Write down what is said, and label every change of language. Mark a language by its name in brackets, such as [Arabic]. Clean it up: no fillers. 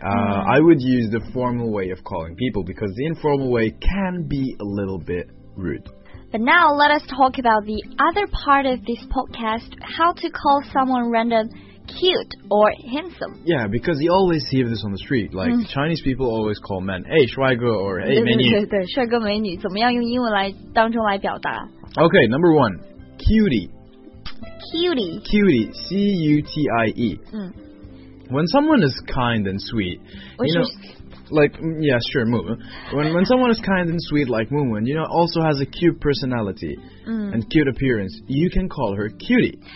[English] I would use the formal way of calling people because the informal way can be a little bit rude. But now let us talk about the other part of this podcast, how to call someone random cute or handsome. Yeah, because you always see this on the street. Like, Chinese people always call men, hey, 帅哥 or hey, 美女。 [Chinese] 对，帅哥美女，怎么样用英文来当中来表达？ [English] Okay, number one, cutie. Cutie. Cutie. C-U-T-I-E.、When someone is kind and sweet, you know, like, yeah, sure, Moon. When someone is kind and sweet like Moon Moon, you know, also has a cute personality、and cute appearance, you can call her cutie.